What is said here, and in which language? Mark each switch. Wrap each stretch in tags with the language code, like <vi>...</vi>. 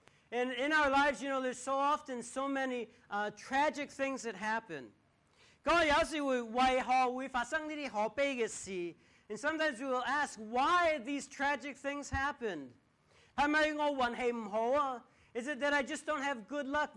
<en>And in our lives, you know, there's so often so many tragic things that happen.</en> <yue>有时会为何会发生这些可悲的事,</yue> <en>and sometimes we will ask, why these tragic things happened?</en> <yue>是不是我运气不好啊?</yue> <en>Is it that I just don't have good luck?</en>